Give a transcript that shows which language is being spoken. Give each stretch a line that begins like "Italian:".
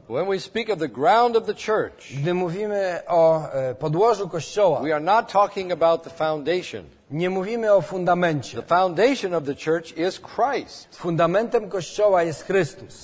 English: When we speak of the ground of the church,
Polish: gdy mówimy o podłożu kościoła,
English: we are not talking about the foundation.
Polish: Nie mówimy o fundamencie.
English: The foundation of the church is Christ.
Polish: Fundamentem kościoła jest Chrystus.